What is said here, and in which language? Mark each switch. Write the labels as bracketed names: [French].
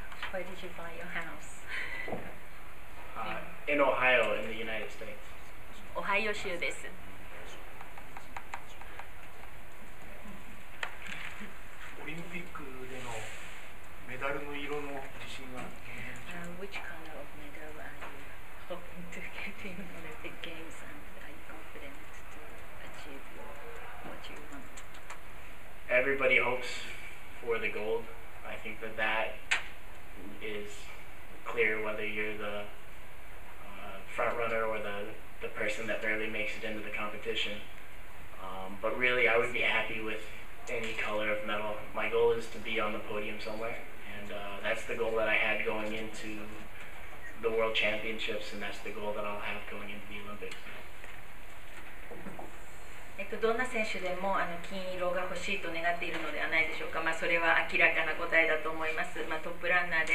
[English] Where did you buy your house? In Ohio, in the United States. [Japanese] Ohio 州です。オリンピックでのメダルの色の自信は。 [English] Which color of medal are you hoping to get in Olympic Games? And are you confident to achieve what you want? Everybody hopes for the gold. I think that that is clear whether you're the front runner or the person that barely makes it into the competition. But really, I would be happy with any color of medal. My goal is to be on the podium somewhere. And that's the goal that I had going into the World Championships, and that's the goal that I'll have going into the Olympics. [Japanese] どんな選手でも金色が欲しいと願っているのではないでしょうか。まあ、それは明らかな答えだと思います。まあ、トップラン